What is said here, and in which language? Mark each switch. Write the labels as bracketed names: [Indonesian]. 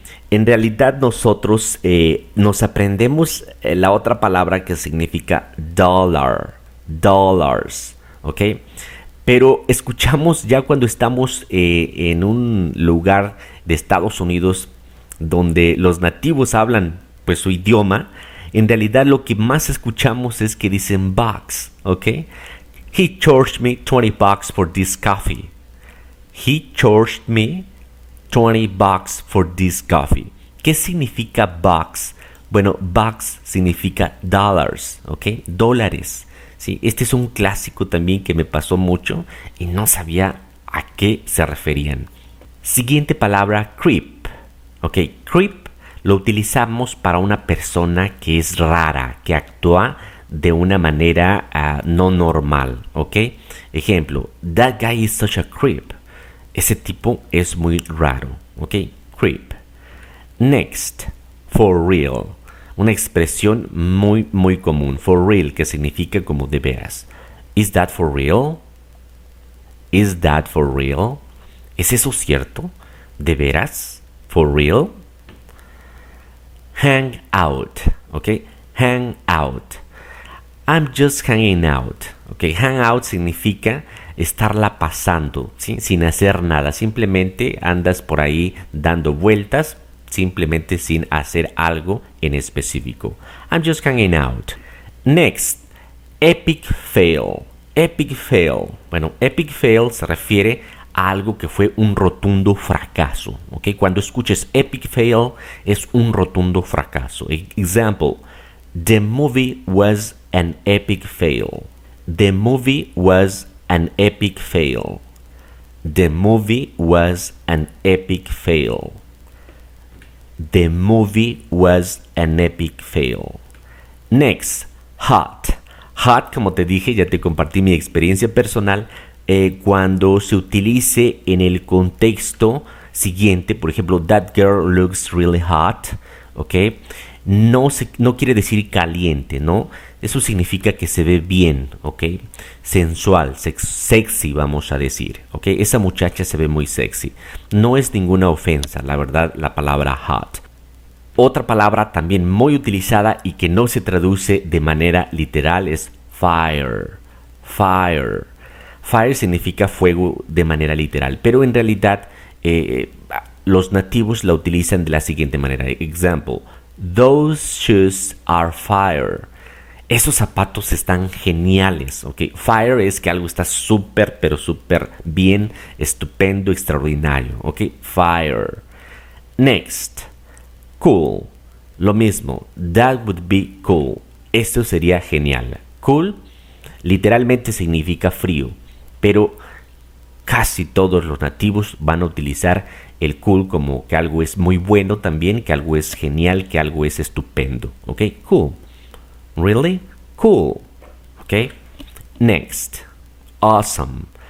[Spanish] En realidad nosotros nos aprendemos la otra palabra que significa dollar, dollars, ¿ok? Pero escuchamos ya cuando estamos en un lugar de Estados Unidos donde los nativos hablan pues su idioma, en realidad lo que más escuchamos es que dicen bucks, ¿ok? [English] He charged me 20 bucks for this coffee. He charged me 20 bucks for this coffee. [Spanish] ¿Qué significa bucks? Bueno, bucks significa dollars, ¿ok? Dólares. Sí, este es un clásico también que me pasó mucho y no sabía a qué se referían. Siguiente palabra, creep. Ok, creep lo utilizamos para una persona que es rara, que actúa de una manera no normal, ¿ok? Ejemplo, [English] that guy is such a creep. [Spanish] Ese tipo es muy raro, ¿ok? Creep. [English] Next, for real. [Spanish] Una expresión muy, muy común. [English] For real, [Spanish] que significa como de veras. [English] Is that for real? Is that for real? [Spanish] ¿Es eso cierto? ¿De veras? [English] For real. Hang out, ¿ok? Hang out. I'm just hanging out, ¿ok? [Spanish] Hang out significa estarla pasando, ¿sí? Sin hacer nada. Simplemente andas por ahí dando vueltas, simplemente sin hacer algo en específico. [English] I'm just hanging out. Next, epic fail. Epic fail. [Spanish] Bueno, epic fail se refiere a algo que fue un rotundo fracaso, ¿ok? Cuando escuches epic fail, es un rotundo fracaso. [English] Example, the movie was an epic fail. The movie was an epic fail. The movie was an epic fail. The movie was an epic fail. Next, hot. [Spanish] Hot, como te dije, ya te compartí mi experiencia personal, cuando se utilice en el contexto siguiente, por ejemplo, [English] that girl looks really hot, [Spanish] ¿ok? No quiere decir caliente, ¿no? Eso significa que se ve bien, ¿ok? Sensual, sexy, vamos a decir, ¿ok? Esa muchacha se ve muy sexy. No es ninguna ofensa, la verdad, la palabra hot. Otra palabra también muy utilizada y que no se traduce de manera literal es fire. Fire. Fire significa fuego de manera literal, pero en realidad los nativos la utilizan de la siguiente manera. [English] Example, those shoes are fire. [Spanish] Esos zapatos están geniales, ¿ok? Fire es que algo está súper, pero súper bien, estupendo, extraordinario, ¿ok? [English] Fire. Next, cool. [Spanish] Lo mismo, [English] that would be cool. [Spanish] Esto sería genial. Cool literalmente significa frío, pero casi todos los nativos van a utilizar el cool como que algo es muy bueno también, que algo es genial, que algo es estupendo, ¿ok? [English] Cool. Really? Cool. Ok. Next. Awesome.